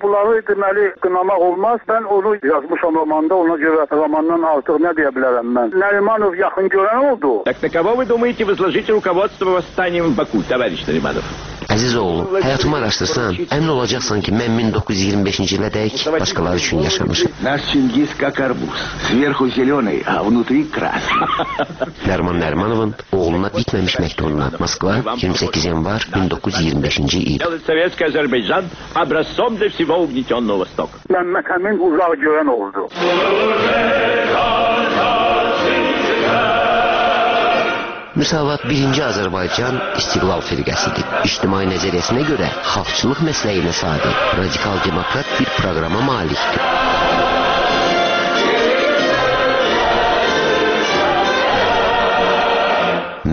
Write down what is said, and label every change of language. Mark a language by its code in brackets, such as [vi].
[az] Bunları deməli, qınamaq olmaz. Mən onu yazmışam romanda, ona görə romandan artıq nə deyə bilərəm mən? Nərimanov yaxın görən oldu. Əziz oğlum, həyatımı araşdırsan, əmin olacaqsan ki, mən 1925-ci ilədək başqaları üçün yaşamışam. [ru] Наш Чингис как арбуз, сверху зелёный, а внутри красный. [az] Нәриман Нәрмановын oğluna bitməmiş məktubundan. Москва, 28 yanvar 1925-ci il. [ru] Советский Азербайджан образцом для всего угнетённого Востока. [az] Мәмməd Əmin uzaq görən oldu. Müsavat birinci Azərbaycan istiqlal firqəsidir. İctimai nəzəriyyəsinə görə xalqçılıq məsləyinə sadiq, radikal demokrat bir proqrama malikdir.